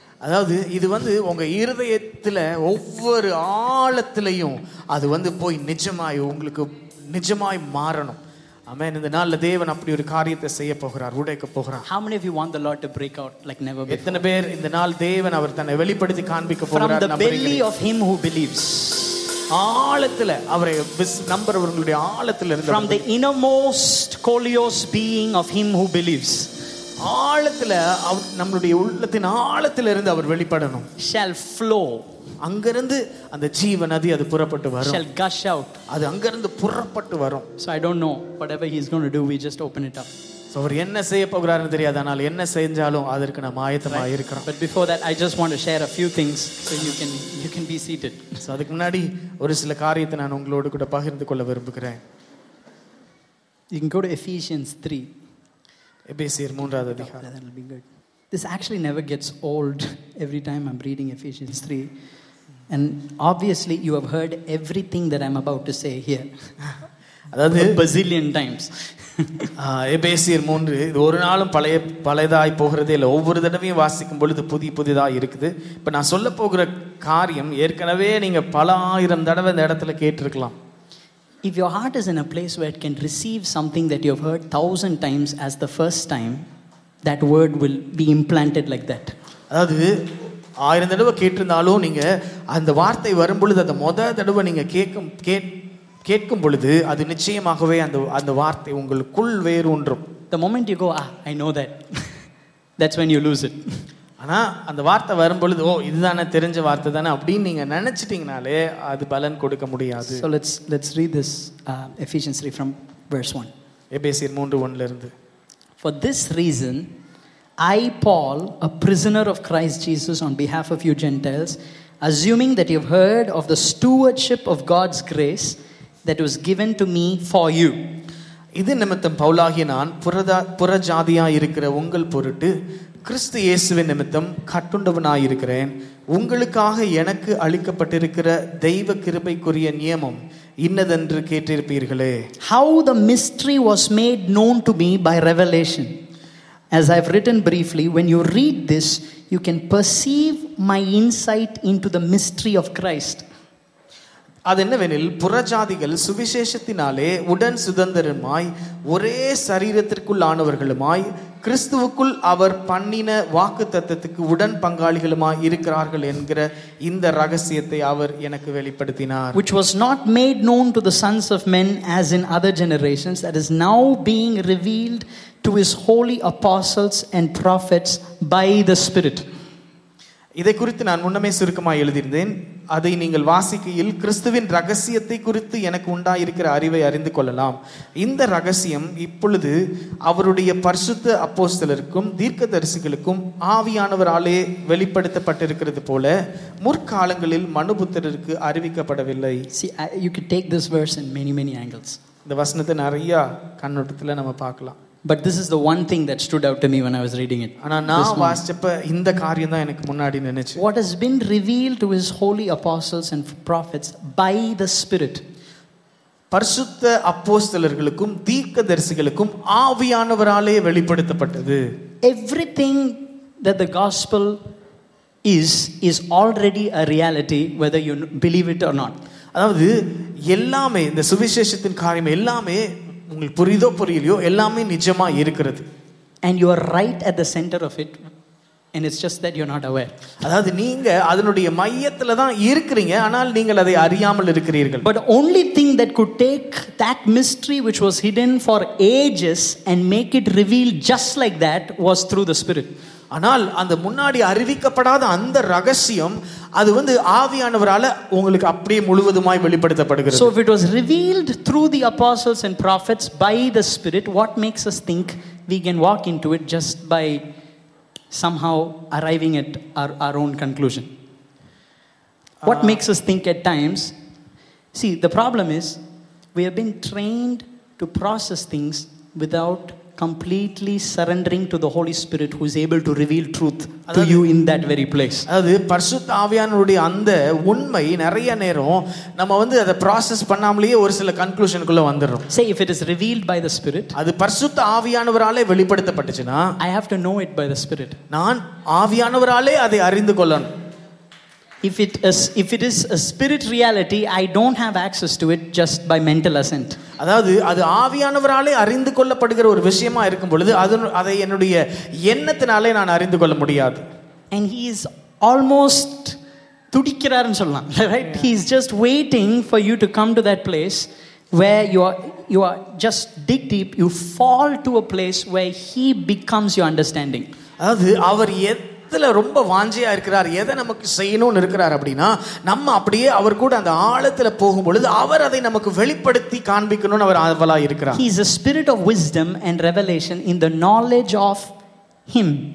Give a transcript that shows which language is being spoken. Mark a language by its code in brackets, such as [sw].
[ta] அதாவது இது வந்து உங்க இருதயத்துல ஒவ்வொரு ஆழத்திலையும் அது வந்து போய் நிஜமாய் உங்களுக்கு நிஜமாய் மாறணும். Amen. இந்த நாள்ல தேவன் அப்படி ஒரு காரியத்தை செய்ய போகிறார், உடைக்க போகிறார். [en] How many of you want the Lord to break out like never before? [ta] எத்தனை பேர் இந்த நாள் தேவன் அவர் தன்னை வெளிப்படுத்தி காண்பிக்க போகிறார் [en] from the belly of him who believes. [ta] ஆழத்துல அவரை நம்பறவங்களுடைய ஆழத்துல இருந்து [en] from the innermost coleos being of him who believes. [ta] ஆழத்துல நம்மளுடைய உள்ளத்தின் ஆழத்திலிருந்து அவர் வெளிப்படணும். [en] Shall flow. [ta] அங்கிருந்து அந்த ஜீவ நதி அது புறப்பட்டு வரும். [en] Shall gush out. [ta] அது அங்கிருந்து புறப்பட்டு வரும். [en] So I don't know whatever he is going to do, we just open it up. [ta] So அவர் என்ன செய்ய போகிறாருன்னு தெரியாது, ஆனால் என்ன செஞ்சாலும் அதற்கு நாம் ஆயத்தமா இருக்கிறோம். [en] But before that I just want to share a few things so you can be seated. [ta] So அதுக்கு முன்னாடி ஒரு சில காரியத்தை நான் உங்களோடு கூட பகிர்ந்து கொள்ள விரும்புகிறேன். [en] You can go to Ephesians 3. [ta] எபேசியர் மூன்றாவது அதிகாரம். [en] This actually never gets old every time I'm reading Ephesians 3. And obviously you have heard everything that I'm about to say here. [ta] அதாவது [en] bazillion times. [ta] எபேசியர் 3 இது ஒரு நாளும் பழைய பழையதாய் போகிறதே இல்லை. ஒவ்வொரு தடவையும் வாசிக்கும் பொழுது புதிய புதிதாக இருக்குது. இப்போ நான் சொல்ல போகிற காரியம் ஏற்கனவே நீங்கள் பல ஆயிரம் தடவை இந்த இடத்துல கேட்டிருக்கலாம். [en] If your heart is in a place where it can receive something that you have heard 1,000 times as the first time, that word will be implanted like that. [ta] அதாவது ஆயிரம் தடவை கேட்டிருந்தாலும் நீங்க அந்த வார்த்தை வரும் பொழுது அந்த முதல் தடவை நீங்க கேட்கும் பொழுது அது நிச்சயமாகவே அந்த வார்த்தை உங்களுக்குள் வேரூன்றும். [en] The moment you go, I know that, that's when you lose it. [ta] ஆனா அந்த வார்த்தை வரும்பொழுது ஓ இதுதானே தெரிஞ்ச வார்த்தை தானே அப்படின்னு நீங்க நினைச்சிட்டீங்கனாலே அது பலன் கொடுக்க முடியாது. [en] So let's read this Ephesians 3 from verse 1. [ta] எபேசியர் 3:1 இருந்து. [en] For this reason I Paul a prisoner of Christ Jesus on behalf of you Gentiles assuming that you've heard of the stewardship of God's grace that was given to me for you. [ta] இது நிமித்தம் பவுலாகிய நான் புறஜாதியா இருக்கிற உங்கள் பொருட்டு கிறிஸ்து இயேசுவின் நிமித்தம் கட்டுண்டவனாயிருக்கிறேன். உங்களுக்காக எனக்கு அளிக்கப்பட்டிருக்கிற தெய்வ கிருபைக்குரிய நியமம் இன்னதென்று கேட்டிருப்பீர்களே. [en] How the mystery was made known to me by revelation. As I have written briefly, when you read this, you can perceive my insight into the mystery of Christ. [ta] அதென்னவெனில் புறஜாதிகள் சுவிசேஷத்தினாலே உடன் சுதந்திரமாய் ஒரே சரீரத்திற்குள் ஆனவர்களுமாய் கிறிஸ்துவுக்குள் அவர் பண்ணின வாக்கு தத்துவத்துக்கு உடன் பங்காளிகளுமாய் இருக்கிறார்கள் என்கிற இந்த ரகசியத்தை அவர் எனக்கு வெளிப்படுத்தினார். [en] Which was not made known to the sons of men as in other generations, that is now being revealed to his holy apostles and prophets by the Spirit. [ta] இதை குறித்து நான் முன்னமே சுருக்கமாக எழுதியிருந்தேன். அதை நீங்கள் வாசிக்கையில் கிறிஸ்துவின் ரகசியத்தை குறித்து எனக்கு உண்டாயிருக்கிற அறிவை அறிந்து கொள்ளலாம். இந்த ரகசியம் இப்பொழுது அவருடைய பரிசுத்த அப்போஸ்தலருக்கும் தீர்க்க தரிசிகளுக்கும் ஆவியானவராலே வெளிப்படுத்தப்பட்டிருக்கிறது போல முற்காலங்களில் மனுபுத்திரருக்கு அறிவிக்கப்படவில்லை. இந்த வசனத்தை நிறைய கண்ணோட்டத்தில் நம்ம பார்க்கலாம். [en] But this is the one thing that stood out to me when I was reading it. [ta] ஆனா நான் வாசிச்சப்ப இந்த காரியம் தான் எனக்கு முன்னாடி நினைச்சு. [en] What has been revealed to his holy apostles and prophets by the Spirit. [ta] பரிசுத்த அப்போஸ்தலர்களுக்கும் தீர்க்கதரிசிகளுக்கும் ஆவியானவராலே வெளிப்படுத்தப்பட்டது. [en] Everything that the gospel is already a reality whether you believe it or not. [ta] அதாவது எல்லாமே இந்த சுவிசேஷத்தின் காரியம் எல்லாமே உங்களுக்கு புரியுதோ புரியலையோ எல்லாமே நிஜமா இருக்கிறது. [en] And you are right at the center of it and it's just that you're not aware. [ta] அதாவது நீங்க அதனுடைய மையத்துல தான் இருக்கீங்க ஆனால் நீங்கள் அதை அறியாமல் இருக்கிறீர்கள். [en] But only thing that could take that mystery which was hidden for ages and make it revealed just like that was through the Spirit. [ta] ஆனால் அந்த முன்னாடி அறிவிக்கப்படாத அந்த ரகசியம் அது வந்து ஆவியானவரால உங்களுக்கு அப்படியே முழுவதுமாய் வெளிப்படுத்தப்படுகிறது. [en] So if it was revealed through the apostles and prophets by the Spirit, what makes us think we can walk into it just by somehow arriving at our own conclusion? What makes us think at times? See, the problem is we have been trained to process things without completely surrendering to the Holy Spirit who is able to reveal truth to you in that very place. [ta] அது பரிசுத்த ஆவியானுடைய அந்த உண்மை நிறைய நேரம் நம்ம வந்து அதை process பண்ணாமலேயே ஒரு சில conclusion குள்ள வந்துறோம். [en] Say if it is revealed by the Spirit, [ta] அது பரிசுத்த ஆவியானவராலே வெளிப்படுத்தப்பட்டுச்சுனா [en] I have to know it by the Spirit. [ta] நான் ஆவியானவராலே அதை அறிந்து கொள்ளணும். [en] If it is a spirit reality, I don't have access to it just by mental assent. [ta] அதாவது அது ஆவியானவராலே அறிந்து கொள்ளப்படுகிற ஒரு விஷயமா இருக்கும் பொழுது அதை என்னுடைய எண்ணத்தினாலே நான் அறிந்து கொள்ள முடியாது. [en] And he is almost [ta] துடிக்கிறாருன்னு சொல்லலாம், [en] right? He is just waiting for you to come to that place where you are just dig deep, you fall to a place where he becomes your understanding. [ta] அதாவது அவர் ரொம்ப வாஞ்சையா இருக்கிறார், எதை நமக்கு செய்யணும்னு இருக்கிறார் அப்படின்னா நம்ம அப்படியே அவர் கூட அந்த ஆழத்துல போகும் பொழுது அவர் அதை நமக்கு வெளிப்படுத்தி காண்பிக்கணும்னு அவர் ஆவலா இருக்கிறார். [en] He is a spirit of wisdom and revelation in the knowledge of him.